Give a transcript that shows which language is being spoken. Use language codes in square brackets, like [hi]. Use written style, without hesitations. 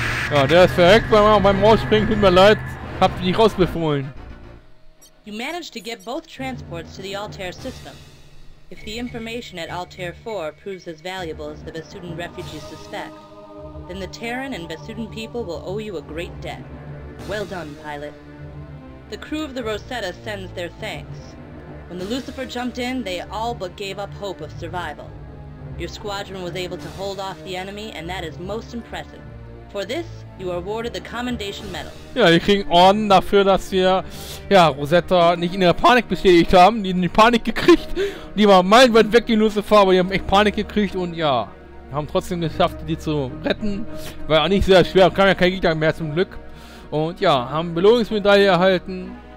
[de] Ja, der ist verreckt beim Rausspringen, tut mir leid. Hab dich nicht rausbefohlen. [en] You managed to get both transports to the Altair system. If the information at Altair 4 proves as valuable as the Basudan refugees suspect, then the Terran and Basudan people will owe you a great debt. Well done, pilot. The crew of the Rosetta sends their thanks. When the Lucifer jumped in, they all but gave up hope of survival. Your squadron was able to hold off the enemy, and that is most impressive. For this, you are awarded the Commendation Medal. [de] Ja, wir kriegen Orden dafür, dass wir ja Rosetta nicht in der Panik bestätigt haben. Die haben die Panik gekriegt. Die waren meilenweit weg, die Lucifer, aber die haben echt Panik gekriegt und ja, haben trotzdem geschafft, die zu retten. War ja nicht sehr schwer, kam ja kein Gegner mehr zum Glück. Und ja, haben Belohnungsmedaille erhalten.